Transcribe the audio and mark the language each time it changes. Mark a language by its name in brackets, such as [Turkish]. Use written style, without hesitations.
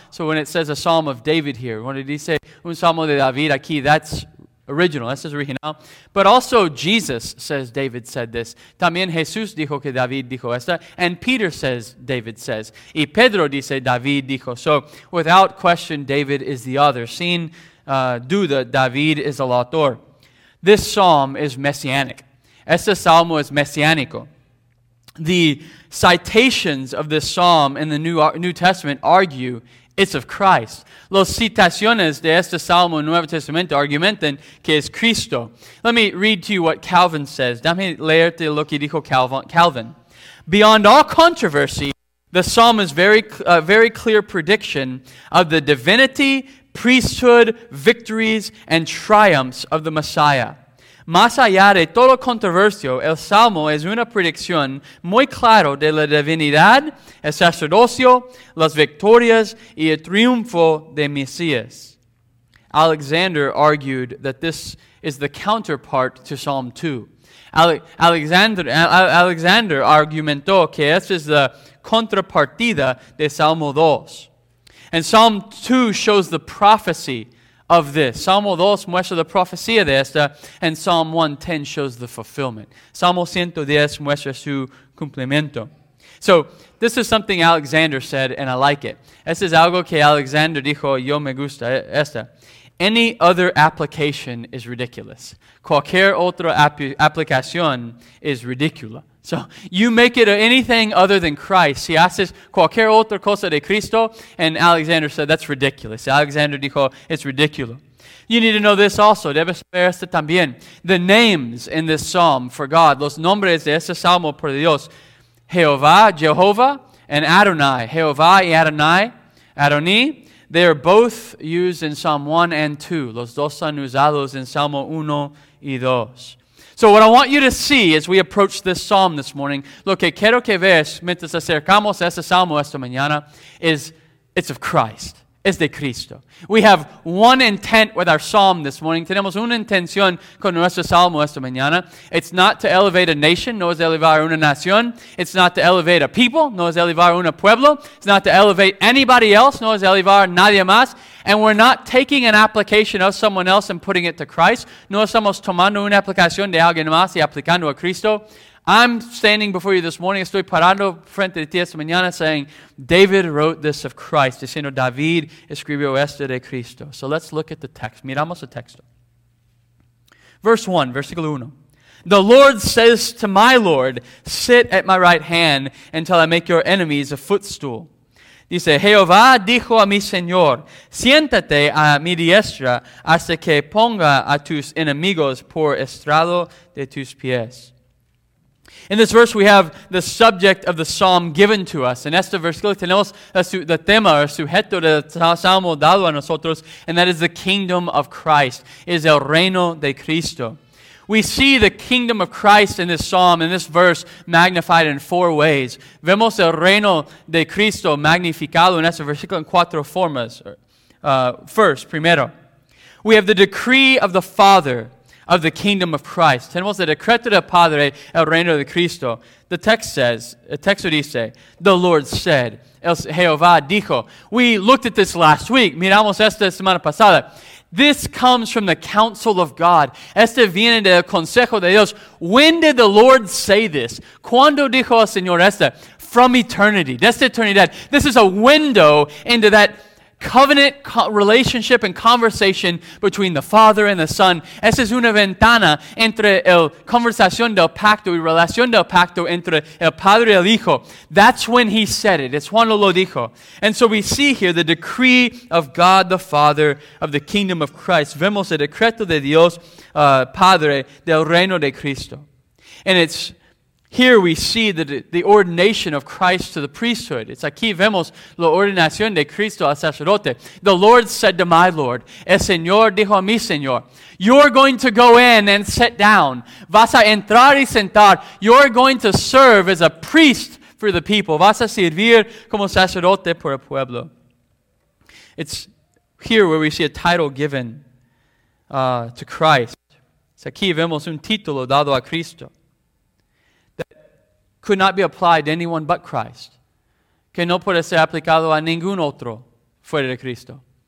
[English] So when it says a psalm of David here, when did he say [Spanish] un salmo de David aquí, [English] that's original. This is original. But also Jesus says David said this. [Spanish] También Jesús dijo que David dijo esta. [English] And Peter says David says. [Spanish] Y Pedro dice David dijo. [English] So without question, David is the author. [Spanish] Sin duda, David is el autor. [English] This psalm is messianic. [Spanish] Este salmo es messianico. [English] The citations of this psalm in the New Testament argue it's of Christ. [Spanish] Los citaciones de este Salmo en Nuevo Testamento argumentan que es Cristo. [English] Let me read to you what Calvin says. [Spanish] Dame leerte lo que dijo Calvin. [English] Beyond all controversy, the psalm is very clear prediction of the divinity, priesthood, victories, and triumphs of the Messiah. [Spanish] Más allá de todo controversio, el Salmo es una predicción muy clara de la divinidad, el sacerdocio, las victorias y el triunfo de Mesías. [English] Alexander argued that this is the counterpart to Psalm 2. [Spanish] Alexander argumentó que esta es la contrapartida de Salmo 2. [English] And Psalm 2 shows the prophecy of this. [Spanish] Salmo 2 muestra la profecía de esta, [English] and Psalm 110 shows the fulfillment. [Spanish] Salmo 110 muestra su cumplimiento. [English] So, this is something Alexander said, and I like it. [Spanish] Esto es algo que Alexander dijo, yo me gusta esta. [English] Any other application is ridiculous. [Spanish] Cualquier otra aplicación es ridícula. [English] So, you make it anything other than Christ. [Spanish] Si haces cualquier otra cosa de Cristo, [English] and Alexander said, that's ridiculous. [Spanish] Alexander dijo, [English] it's [Spanish] ridículo. [English] You need to know this also. [Spanish] Debes saber esto también. [English] The names in this psalm for God, [Spanish] los nombres de este salmo por Dios, [English] Jehovah, and Adonai. [Spanish] Jehovah y Adonai, Adoní, [English] they are both used in Psalm 1 and 2. [Spanish] Los dos son usados en Salmo 1 y 2. [English] So what I want you to see as we approach this psalm this morning, [Spanish] lo que quiero que veas mientras acercamos a este salmo esta mañana, [English] is it's of Christ. [Spanish] Es de Cristo. [English] We have one intent with our psalm this morning. [Spanish] Tenemos una intención con nuestro salmo esta mañana. [English] It's not to elevate a nation, [Spanish] no es elevar una nación. [English] It's not to elevate a people, [Spanish] no es elevar un pueblo. [English] It's not to elevate anybody else, [Spanish] no es elevar nadie más. [English] And we're not taking an application of someone else and putting it to Christ. [Spanish] No estamos tomando una aplicación de alguien más y aplicando a Cristo. [English] I'm standing before you this morning, [Spanish] estoy parando frente de ti esta mañana [English] saying, David wrote this of Christ, [Spanish] diciendo David escribió esto de Cristo. [English] So let's look at the text. [Spanish] Miramos el texto. [English] Verse 1, [Spanish] versículo 1. [English] The Lord says to my Lord, sit at my right hand until I make your enemies a footstool. [Spanish] Dice, Jehová dijo a mi Señor, siéntate a mi diestra hasta que ponga a tus enemigos por estrado de tus pies. [English] In this verse, we have the subject of the psalm given to us. [Spanish] En este versículo tenemos el tema, el sujeto del salmo dado a nosotros, [English] and that is the kingdom of Christ, [Spanish] is el reino de Cristo. [English] We see the kingdom of Christ in this psalm, in this verse, magnified in four ways. [Spanish] Vemos el reino de Cristo magnificado en este versículo en cuatro formas. [English] First, we have the decree of the Father, of the kingdom of Christ. [Spanish] Tenemos el decreto del Padre, el reino de Cristo. [English] The text says, [Spanish] el texto dice, [English] the Lord said, [Spanish] Jehová dijo. [English] We looked at this last week. [Spanish] Miramos esta semana pasada. [English] This comes from the counsel of God. [Spanish] Este viene del consejo de Dios. [English] When did the Lord say this? [Spanish] ¿Cuándo dijo el Señor esta? [English] From eternity. [Spanish] Desde eternidad. [English] This is a window into that covenant relationship and conversation between the Father and the Son. [Spanish] Esa es una ventana entre el conversación del pacto y relación del pacto entre el Padre y el Hijo. [English] That's when he said it. It's [Spanish] cuando lo dijo. [English] And so we see here the decree of God the Father of the kingdom of Christ. [Spanish] Vemos el decreto de Dios Padre del reino de Cristo. [English] And it's here we see the ordination of Christ to the priesthood. It's [Spanish] aquí vemos la ordenación de Cristo al sacerdote. [English] The Lord said to my Lord, [Spanish] el Señor dijo a mi Señor, [English] you're going to go in and sit down. [Spanish] Vas a entrar y sentar. [English] You're going to serve as a priest for the people. [Spanish] Vas a servir como sacerdote por el pueblo. [English] It's here where we see a title given to Christ. It's [Spanish] aquí vemos un título dado a Cristo. [English] Could not be applied to anyone but Christ. [Spanish] Que no puede ser aplicado a ningún otro fuera de Cristo.